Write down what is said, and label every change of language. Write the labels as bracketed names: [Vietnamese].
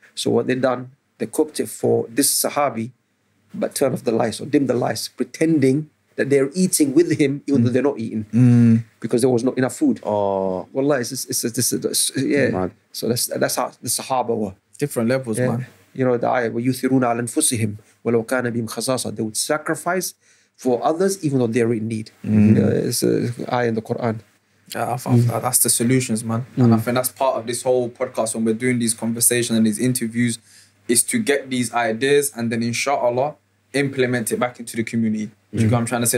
[English] So what they done, they cooked it for this Sahabi, but turn off the lights or dim the lights, pretending that they're eating with him, even though they're not eating, because there was not enough food. Oh. Wallah, it's so that's how the Sahaba were. Different levels, man. You know, the ayah, [Arabic] وَيُثِرُونَ عَلَى أَنفُسِهِمْ وَلَوْ كَانَ بِهِمْ خَصَاصَةٌ. [English] They would sacrifice for others even though they're in need. It's an ayah in the Quran. That's the solutions, man. And I think that's part of this whole podcast when we're doing these conversations and these interviews. is to get these ideas and then inshallah implement it back into the community. Mm-hmm. You know what I'm trying to say?